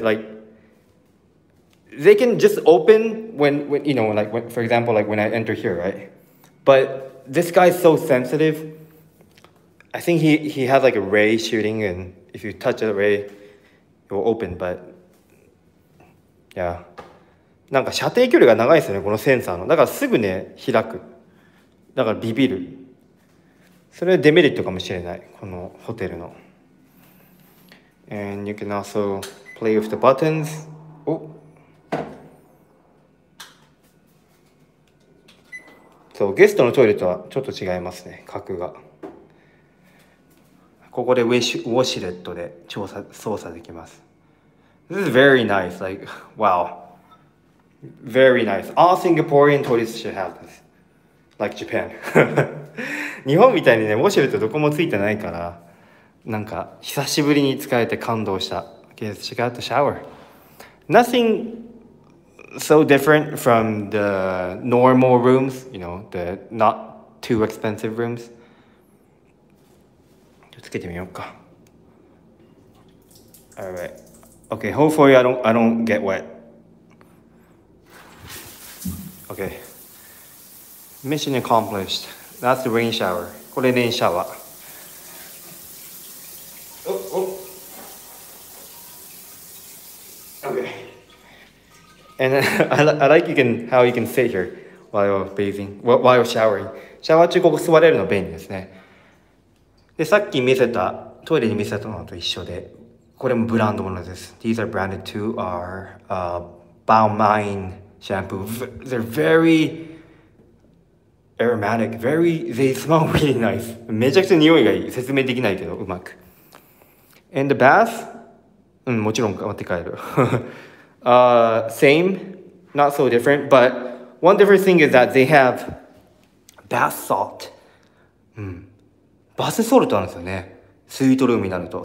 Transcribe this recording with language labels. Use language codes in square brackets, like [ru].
[en] Like, they can just open when you know, like, when, for example, like when I enter here, right? But this guy's so sensitive. I think he has like a ray shooting, and if you touch a ray, it will open, but. [ja] いや、なんか射程距離が長いですよね、このセンサーの。だからすぐね、開く。だからビビる。それはデメリットかもしれない、このホテルの。 [en] And you can also play with the buttons. お。 [ja] そう、ゲストのトイレとはちょっと違いますね、格が。ここでウォシュレットで操作できます。 [en] This is very nice, like, wow. Very nice. All Singaporean toilets should have this. Like Japan. [ja] 日本みたいにね、ウォシュレットどこもついてないから、なんか、久しぶりに使えて感動した。 [en] Okay, let's check out the shower. Nothing so different from the normal rooms, you know, the not too expensive rooms. [ja] ちょっとつけてみようか。 [en] All right. Okay, hopefully I don't get wet. Okay. Mission accomplished. That's the rain shower. [ja] これレインシャワー。 Oh, oh. [en] Okay. And I like how you can sit here while showering. [ja] シャワー中ここ座れるの便利ですね。で、さっき見せた、トイレに見せたのと一緒で。これもブランドものです。 [en] These are branded to our Balmain shampoo. They're very aromatic. They smell really nice. [ja] めちゃくちゃ匂いがいい。説明できないけど、うまく。 [en] And the bath? [ja] うん、もちろん持って帰る。 [en] same, not so different. But one different thing is that they have bath salt. うん。 [ja] バスソルトなんですよね。スイートルームになると。